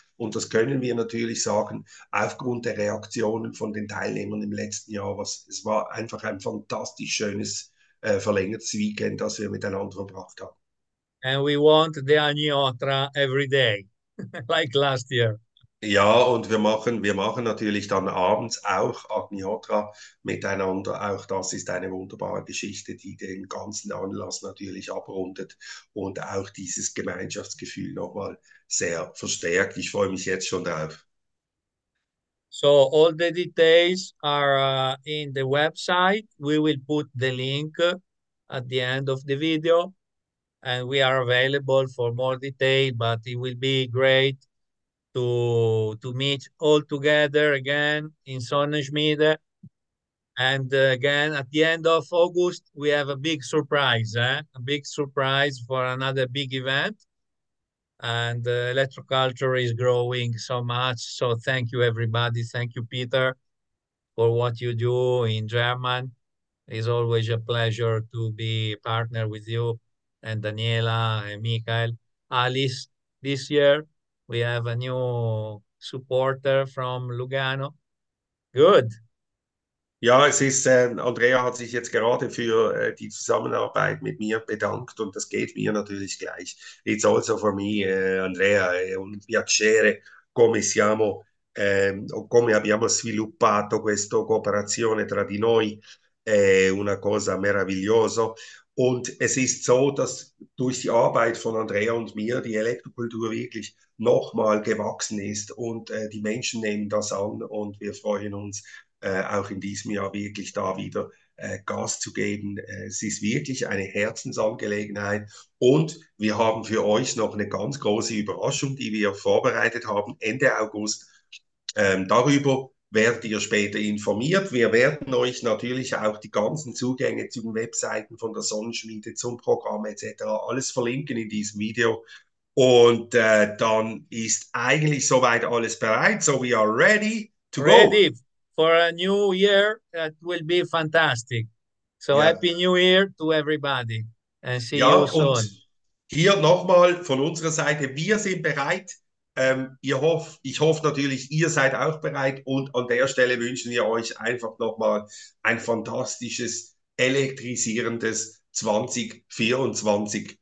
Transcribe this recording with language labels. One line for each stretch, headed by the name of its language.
German: Und das können wir natürlich sagen, aufgrund der Reaktionen von den Teilnehmern im letzten Jahr. Es war einfach ein fantastisch schönes verlängertes Weekend, das wir miteinander verbracht haben.
English: And we want the Agni Otra every day, like last year.
German: Ja, und wir machen natürlich dann abends auch Agnihotra miteinander. Auch das ist eine wunderbare Geschichte, die den ganzen Anlass natürlich abrundet und auch dieses Gemeinschaftsgefühl nochmal sehr verstärkt. Ich freue mich jetzt schon darauf.
English: So all the details are in the website. We will put the link at the end of the video, and we are available for more detail, but it will be great to meet all together again in Sonnenschmiede. And again, at the end of August, we have a big surprise, a big surprise for another big event. And electroculture is growing so much. So thank you, everybody. Thank you, Peter, for what you do in German. It's always a pleasure to be a partner with you and Daniela and Michael. Alice, this year, we have a new supporter from Lugano. Good.
German: Ja, es ist, Andrea hat sich jetzt gerade für die Zusammenarbeit mit mir bedankt und das geht mir natürlich gleich.
English: It's also for me,
Italian: Andrea, un piacere come siamo, come abbiamo sviluppato questa cooperazione tra di noi, è una cosa meravigliosa.
German: Und es ist so, dass durch die Arbeit von Andrea und mir die Elektrokultur wirklich nochmal gewachsen ist und die Menschen nehmen das an und wir freuen uns, auch in diesem Jahr wirklich da wieder Gas zu geben. Es ist wirklich eine Herzensangelegenheit. Und wir haben für euch noch eine ganz große Überraschung, die wir vorbereitet haben Ende August. Darüber werdet ihr später informiert. Wir werden euch natürlich auch die ganzen Zugänge zu den Webseiten von der Sonnenschmiede zum Programm etc. alles verlinken in diesem Video. Und dann ist eigentlich soweit alles bereit.
English: So we are ready to go. Ready. For a new year, it will be fantastic. So yeah. Happy New Year to everybody. And see
German: ja,
English: you soon.
German: Und hier nochmal von unserer Seite, wir sind bereit. Ich hoffe natürlich, ihr seid auch bereit. Und an der Stelle wünschen wir euch einfach nochmal ein fantastisches, elektrisierendes 2024.